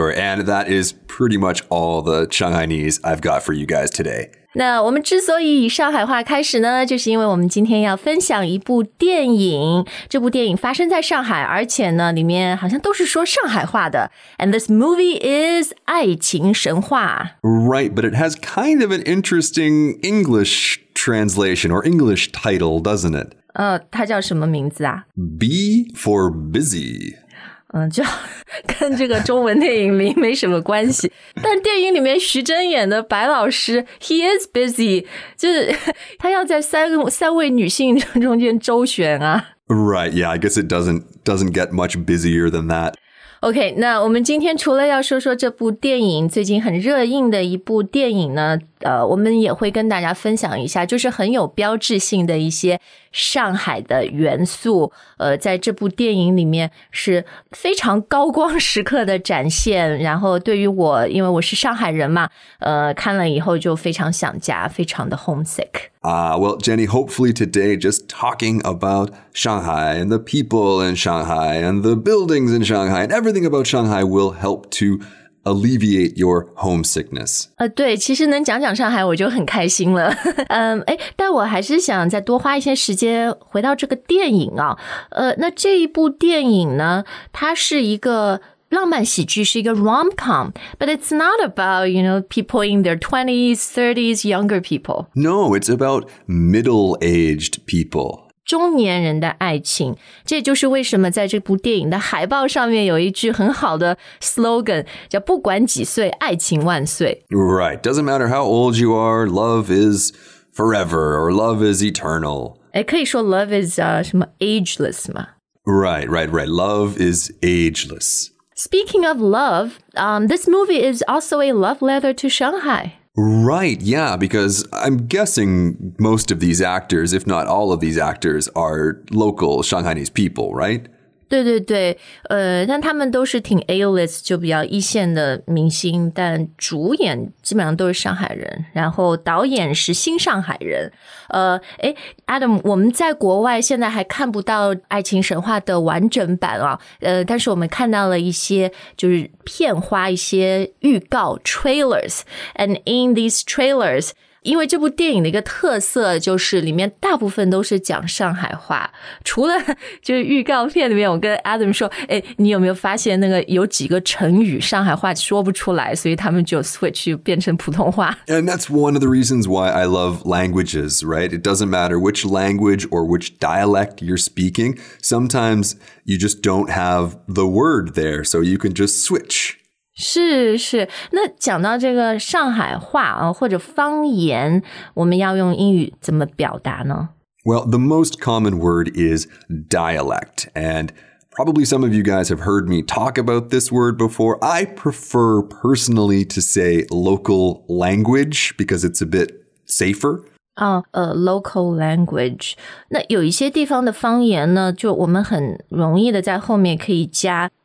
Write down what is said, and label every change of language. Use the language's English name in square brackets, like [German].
[English] And that is pretty much all the Shanghainese I've got for you guys today. [Chinese] 那我们之所以以上海话开始呢，就是因为我们今天要分享一部电影。这部电影发生在上海，而且呢，里面好像都是说上海话的。 [English] And this movie is 爱情神话。 Right, but it has kind of an interesting English translation or English title, doesn't it? [Chinese] 它叫什么名字啊 [English] ?B for busy. [Chinese] 就跟这个中文电影名没什么关系。但电影里面徐峥演的白老师 , [English] he is busy, [Chinese] 就是他要在三位女性中间周旋啊。 [English] Right, yeah, I guess it doesn't get much busier than that. [Chinese] OK, 那我们今天除了要说说这部电影最近很热映的一部电影呢我们也会跟大家分享一下就是很有标志性的一些上海的元素在这部电影里面是非常高光时刻的展现然后对于我因为我是上海人嘛看了以后就非常想家非常的 homesick. [English] Well, Jenny, hopefully today, just talking about Shanghai and the people in Shanghai and the buildings in Shanghai and everything about Shanghai will help to alleviate your homesickness. [Chinese] 对，其实能讲讲上海我就很开心了。但我还是想再多花一些时间回到这个电影啊。那这一部电影呢，它是一个 [English] 浪漫喜剧是一个 rom-com, but it's not about, you know, people in their 20s, 30s, younger people. No, it's about middle-aged people. [Chinese] 中年人的爱情。这就是为什么在这部电影的海报上面有一句很好的 slogan, 叫不管几岁爱情万岁。 [English] Right, doesn't matter how old you are, love is forever, or love is eternal. [Chinese] 可以说 love is 什么 ageless 吗? [English] Right. Love is ageless. Speaking of love, this movie is also a love letter to Shanghai. Right, yeah, because I'm guessing most of these actors, if not all of these actors, are local Shanghainese people, right? [Chinese] 对对对，但他们都是挺 A-list, 就比较一线的明星，但主演基本上都是上海人，然后导演是新上海人。 Adam, 我们在国外现在还看不到爱情神话的完整版啊，但是我们看到了一些就是片花一些预告 trailers, [English] and in these trailers, [Chinese] 因为这部电影的一个特色就是里面大部分都是讲上海话除了就是预告片里面我跟 Adam 说你有没有发现那个有几个成语上海话说不出来所以他们就 switch 变成普通话 [English] And that's one of the reasons why I love languages, right? It doesn't matter which language or which dialect you're speaking Sometimes you just don't have the word there So you can just switch [Chinese] 是是，那讲到这个上海话啊，或者方言，我们要用英语怎么表达呢 [English] ？Well, the most common word is dialect, and probably some of you guys have heard me talk about this word before. I prefer personally to say local language because it's a bit safer. Local language. [Chinese] 那有一些地方的方言呢，就我们很容易的在后面可以加。